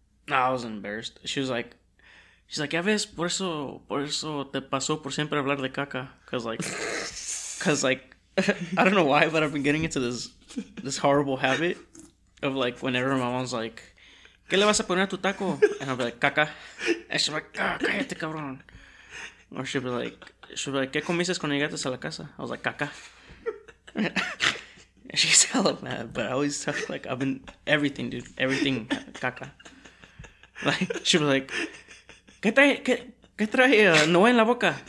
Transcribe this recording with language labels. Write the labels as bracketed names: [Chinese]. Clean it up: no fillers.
[English] I was embarrassed. She was like, she's like, [Spanish] ya ves, por eso te pasó por siempre hablar de caca. [English] Because I don't know why, but I've been getting into this horrible habit of, whenever my mom's like, ¿qué le vas a poner a tu taco? And I'll be like, caca. And she'll be like, oh, [Spanish] cállate, cabrón. [English] Or she'll be like, [Spanish] ¿qué comiste cuando llegaste a la casa? [English] I was like, caca. And she's hella mad, but I always tell her, I've been, everything, dude, everything, caca. She'll be like, [Spanish] ¿Qué trae Noé en la boca?